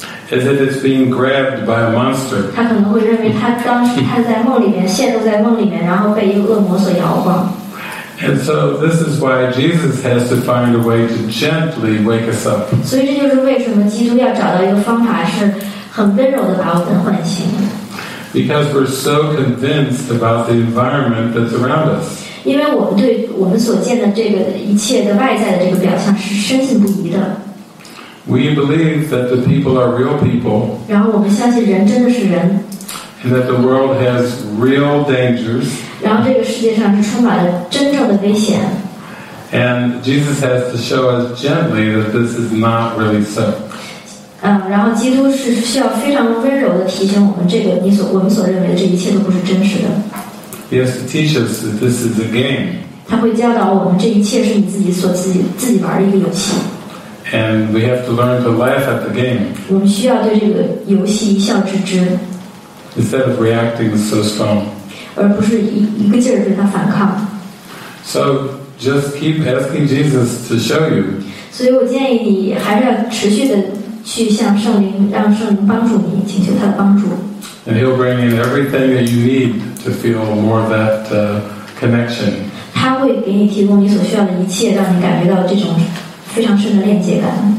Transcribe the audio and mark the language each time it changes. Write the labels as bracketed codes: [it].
[en] As if it's being grabbed by a monster. [zh] 他可能会认为他当时他在梦里面陷入在梦里面，然后被一个恶魔所摇晃。 [en] And so this is why Jesus has to find a way to gently wake us up. [zh] 所以这就是为什么基督要找到一个方法，是很温柔的把我们唤醒。 [en] Because we're so convinced about the environment that's around us. [zh] 因为我们对我们所见的这个一切的外在的这个表象是深信不疑的。 [en] We believe that the people are real people. [zh] 然后我们相信人真的是人。 [en] And that the world has real dangers. [zh] 然后这个世界上是充满了真正的危险。 [en] And Jesus has to show us gently that this is not really so. [zh] 然后基督是需要非常温柔地提醒我们，这个我们所认为的这一切都不是真实的。 [en] He has to teach us that this is a game. [zh] 他会教导我们，这一切是你自己玩的一个游戏。 [en] And we have to learn to laugh at the game. [zh] 我们需要对这个游戏一笑置之。 [en] Instead of reacting so strong. [zh] 而不是一个劲儿对他反抗。 [en] So just keep asking Jesus to show you. [zh] 所以我建议你还是要持续的去向圣灵，让圣灵帮助你，请求他的帮助。 [en] And he'll bring in everything that you need to feel more of that connection. [zh] 他会给你提供你所需要的一切，让你感觉到这种非常深的链接感。